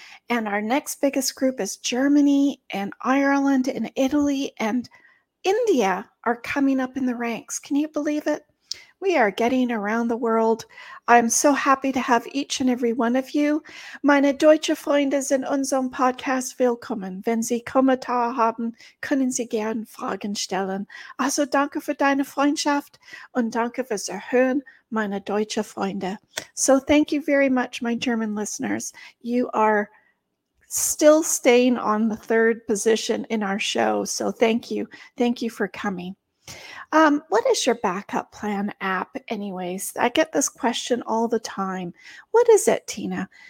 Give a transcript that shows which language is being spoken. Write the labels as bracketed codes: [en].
[en] And our next biggest group is Germany and Ireland and Italy and India are coming up in the ranks. Can you believe it? We are getting around the world. I'm so happy to have each and every one of you. [de] Meine deutsche Freunde sind unserem Podcast willkommen. Wenn Sie Kommentare haben, können Sie gern Fragen stellen. Also danke für deine Freundschaft und danke fürs Erhören, meine deutsche Freunde. [en] So thank you very much, my German listeners. You are still staying on the third position in our show. So thank you. Thank you for coming. What is your Backup Plan app anyways? I get this question all the time. What is it, Tina?